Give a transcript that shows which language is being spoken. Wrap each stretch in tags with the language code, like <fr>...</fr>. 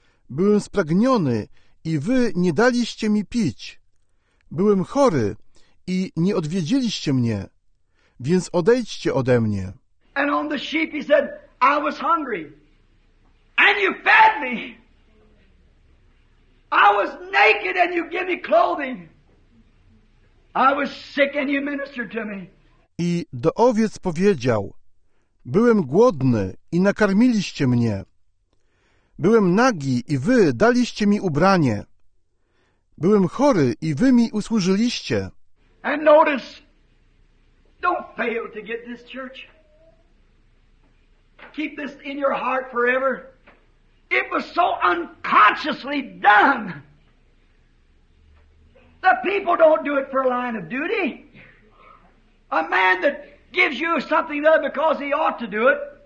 <pl>Byłem spragniony i wy nie daliście mi pić. Byłem chory i nie odwiedziliście mnie. Więc odejdźcie ode mnie.</pl> <en>And on the sheep he said, I was hungry. And you fed me. I was naked and you gave me clothing. I was sick and you ministered to me.</en> <pl>I do owiec powiedział, byłem głodny i nakarmiliście mnie. Byłem nagi i wy daliście mi ubranie. Byłem chory i wy mi usłużyliście.</pl> <en>And notice, don't fail to get this, church. Keep this in your heart forever. It was so unconsciously done. The people don't do it for a line of duty. A man that gives you something there because he ought to do it.</en>